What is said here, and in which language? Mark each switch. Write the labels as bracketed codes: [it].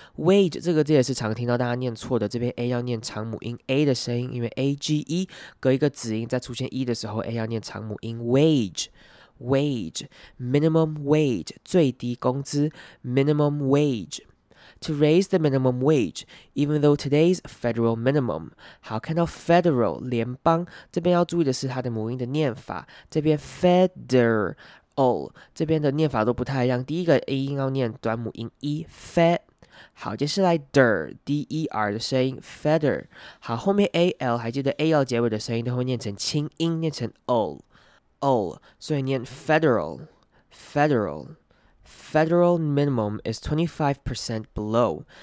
[zh] Wage 这个字也是常听到大家念错的，这边 A 要念长母音 A 的声音，因为 A-G-E 隔一个子音再出现 E 的时候 A 要念长母音 wage。 [en] Wage, minimum wage, [zh] 最低工资 [en] minimum wage. To raise the minimum wage, even though today's federal minimum. [zh] 好，看到 federal, 联邦，这边要注意的是它的母音的念法，这边 federal, 这边的念法都不太一样，第一个 A 音要念短母音 E, fed. 好，接下来 der 的声音 feather。好，后面 al 还记得 al 结尾的声音都会念成轻音，念成 ol， 所以念 [en] federal minimum is 25% below。